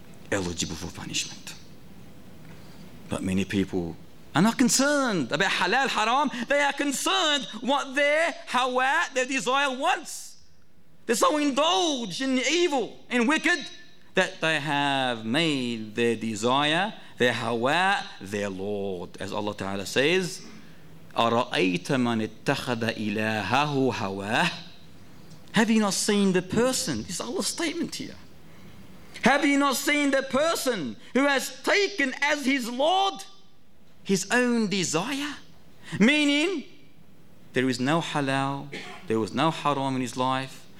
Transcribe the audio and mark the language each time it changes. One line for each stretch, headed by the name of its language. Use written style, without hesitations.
English: Eligible for punishment. But many people are not concerned about halal, haram. They are concerned what their hawa, their desire wants. They're so indulged in evil and wicked that they have made their desire, their hawa, their Lord. As Allah Ta'ala says,
Arabic: أَرَأَيْتَ مَنِ اتَّخَذَ إِلَاهَهُ هَوَاهُ.
English: Have you not seen the person? This is Allah's statement here. Have you not seen the person who has taken as his Lord his own desire? Meaning, there is no halal, there was no haram in his life.